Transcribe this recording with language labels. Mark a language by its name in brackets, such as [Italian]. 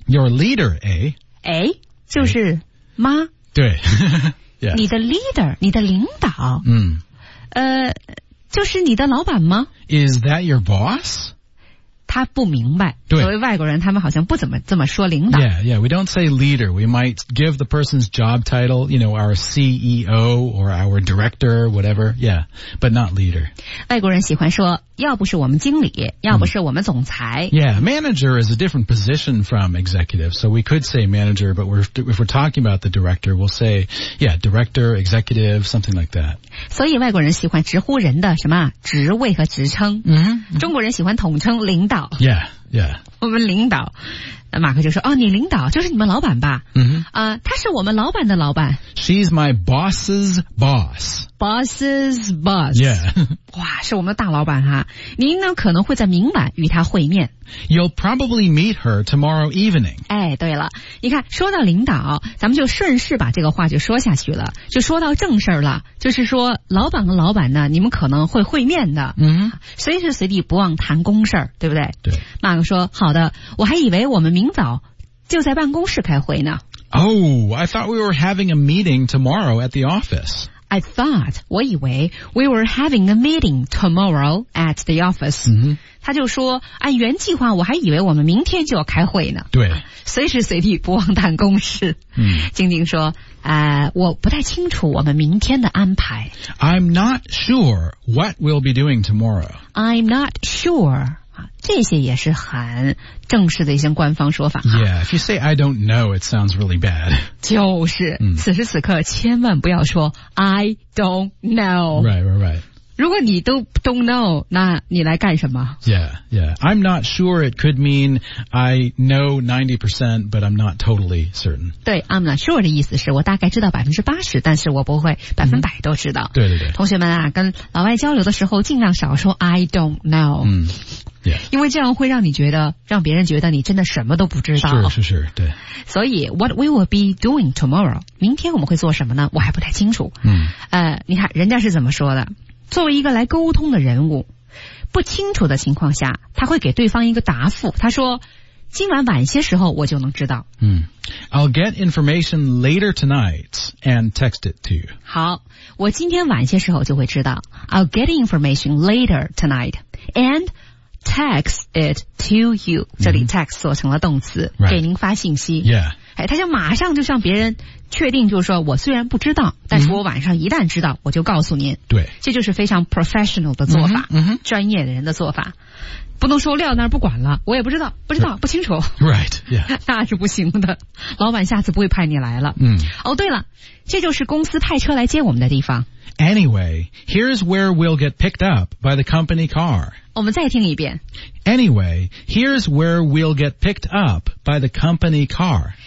[English] Your leader, eh? [Chinese] Eh? 就是妈。对。yeah. 你的 leader, 你的领导。嗯。就是你的老板吗 [English] ?Is that your boss? [Chinese] 他不明白。对。作为外国人他们好像不怎么这么说领导。 [English] Yeah, yeah, we don't say leader. We might give the person's job title, you know, our CEO or our director, whatever. Yeah, but not leader. [Chinese] 外国人喜欢说要不是我们经理要不是我们总裁。 [English] Mm. Yeah, manager is a different position from executive. So we could say manager, but if we're talking about the director, we'll say, yeah, director, executive, something like that. [Chinese] 所以外国人喜欢直呼人的什么职位和职称。 Mm-hmm. Mm-hmm. 中国人喜欢统称领导。 [English] Yeah. Yeah. [Chinese] 我们领导马克就说哦，你领导就是你们老板吧、 mm-hmm. 他是我们老板的老板 [English] She's my boss's boss Boss's boss Yeah. [Chinese] 哇是我们的大老板哈您呢可能会在明晚与他会面 [English] You'll probably meet her tomorrow evening [Chinese] 哎，对了你看说到领导咱们就顺势把这个话就说下去了就说到正事了就是说老板和老板呢你们可能会会面的、 mm-hmm. 随时随地不忘谈公事对不对对马克说好的我还以为我们明早就在办公室开会呢 [English] Oh, I thought we were having a meeting tomorrow at the office. I thought, [Chinese] 我以为 [English] we were having a meeting tomorrow at the office.、 Mm-hmm. [Chinese] 他就说按原计划我还以为我们明天就要开会呢。对。随时随地不忘谈公事。晶晶说我不太清楚我们明天的安排。 [English] I'm not sure what we'll be doing tomorrow. I'm not sure. [Chinese] 这些也是很正式的一些官方说法、啊、 [English] Yeah, if you say I don't know, it sounds really bad [Chinese] 就是、 mm. 此时此刻千万不要说 [English] I don't know Right, right, right [Chinese] 如果你都 [English] don't know [Chinese] 那你来干什么 [English] Yeah, yeah I'm not sure it could mean I know 90% but I'm not totally certain [Chinese] 对 [English] I'm not sure [Chinese] 的意思是我大概知道 80% 但是我不会百分百都知道、 mm. 对对对同学们啊跟老外交流的时候尽量少说 [English] I don't know、 mm. Yeah. [Chinese] 因为这样会让你觉得让别人觉得你真的什么都不知道是是是对所以 [English] What we will be doing tomorrow [Chinese] 明天我们会做什么呢我还不太清楚、嗯、你看人家是怎么说的作为一个来沟通的人物不清楚的情况下他会给对方一个答复他说今晚晚些时候我就能知道、 [English] 嗯、I'll get information later tonight and text it to you [Chinese] 好我今天晚些时候就会知道 [English] I'll get information later tonight andtext it to you [Chinese] 这里 text 做成了动词、 mm-hmm. 给您发信息、 [English] yeah. [Chinese] 哎、他就马上就向别人确定就是说我虽然不知道但是我晚上一旦知道我就告诉您对、mm-hmm. 这就是非常 professional 的做法、 mm-hmm. 专业的人的做法不能说撂那儿不管了，我也不知道，不知道，不清楚。 [English] Right, yeah. [Chinese] 那是不行的，老板下次不会派你来了。嗯。哦，对了，这就是公司派车来接我们的地方。 [English] Anyway, here's where we'll get picked up by the company car. [Chinese] 我们再听一遍。 [English] Anyway, here's where we'll get picked up by the company car.